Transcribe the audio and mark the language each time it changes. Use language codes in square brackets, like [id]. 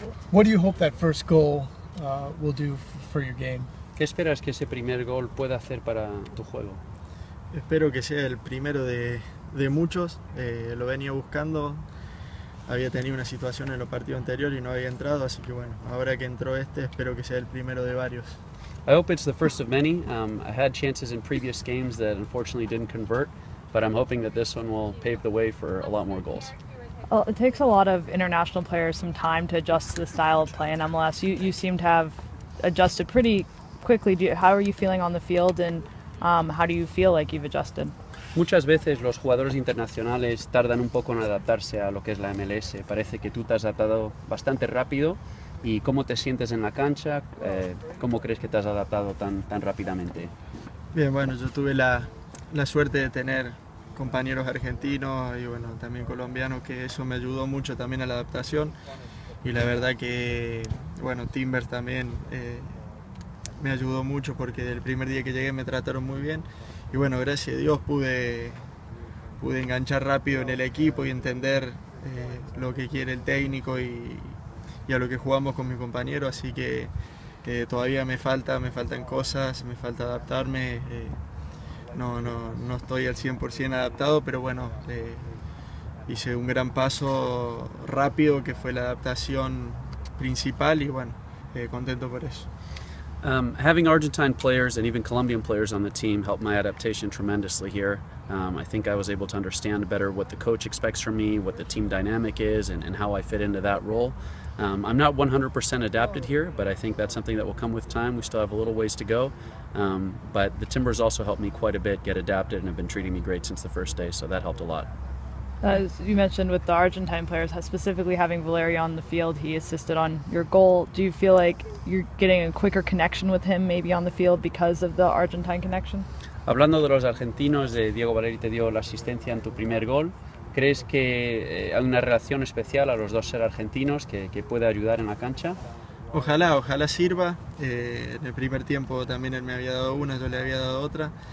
[en] What do you hope that first goal will do for your game? [es] ¿Qué esperas que ese primer gol pueda hacer para tu juego? Espero que sea el primero de muchos. Lo venía buscando. Había tenido una situación en los partidos anteriores y no había entrado, así que bueno, ahora que entró este, espero que sea el primero de varios. [en] I hope it's the first of many. I had chances in previous games that unfortunately didn't convert, but I'm hoping that this one will pave the way for a lot more goals. Well, it takes a lot of international players some time to adjust to the style of play in MLS. You seem to have adjusted pretty quickly. How are you feeling on the field, and how do you feel like you've adjusted? [es] Muchas veces los jugadores internacionales tardan un poco en adaptarse a lo que es la MLS. Parece que tú te has adaptado bastante rápido. ¿Y cómo te sientes en la cancha? ¿Cómo crees que te has adaptado tan rápidamente? Bien, bueno, yo tuve la suerte de tener compañeros argentinos y bueno, también colombianos, que eso me ayudó mucho también a la adaptación. Y la verdad que, bueno, Timbers también me ayudó mucho porque del primer día que llegué me trataron muy bien. Y bueno, gracias a Dios pude enganchar rápido en el equipo y entender lo que quiere el técnico y a lo que jugamos con mi compañero. Así que todavía me faltan cosas, me falta adaptarme. No estoy al 100% adaptado, pero bueno, hice un gran paso rápido que fue la adaptación principal y bueno, contento por eso. [en] Having Argentine players and even Colombian players on the team helped my adaptation tremendously here. I think I was able to understand better what the coach expects from me, what the team dynamic is, and how I fit into that role. I'm not 100% adapted here, but I think that's something that will come with time. We still have a little ways to go. But the Timbers also helped me quite a bit get adapted and have been treating me great since the first day, so that helped a lot. As you mentioned with the Argentine players, specifically having Valeri on the field, he assisted on your goal. Do you feel like you're getting a quicker connection with him maybe on the field because of the Argentine connection? [es] Hablando de los argentinos, de Diego Valeri te dio la asistencia en tu primer gol. ¿Crees que hay una relación especial a los dos ser argentinos que puede ayudar en la cancha? Ojalá, ojalá sirva. En el primer tiempo también él me había dado una, yo le había dado otra.